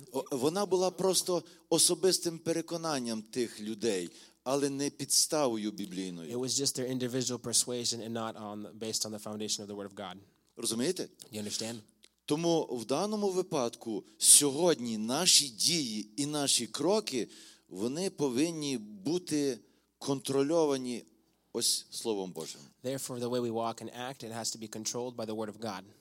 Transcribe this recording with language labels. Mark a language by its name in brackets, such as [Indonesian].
[Ukrainian] Вона була просто особистим переконанням тих людей, але не підставою біблійною. [English] It was just their individual persuasion and not based on the foundation of the word of God. [Ukrainian] Розумієте? [English] You understand? [Ukrainian] Тому в даному випадку сьогодні наші дії і наші кроки, вони повинні бути контрольовані ось Словом Божим. [English] Therefore, the way we walk and act, it has to be controlled by the word of God.